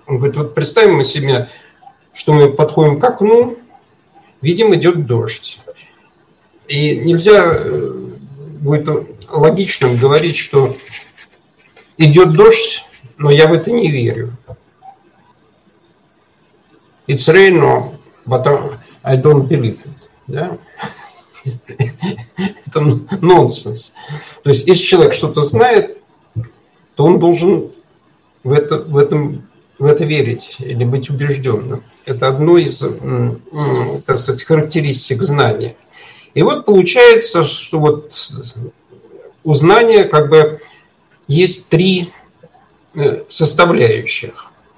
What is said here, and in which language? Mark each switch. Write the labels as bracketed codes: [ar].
[ru] Он говорит, вот представим мы себе, что мы подходим к окну, видим, идет дождь. И нельзя будет логичным говорить, что идет дождь, но я в это не верю. [en] It's rain, but I don't believe it. [ru] Да? Это нонсенс. То есть, если человек что-то знает, то он должен в это верить или быть убежденным. Это одно из, так сказать, характеристик знания. И вот получается, что вот у знания как бы есть три составляющих.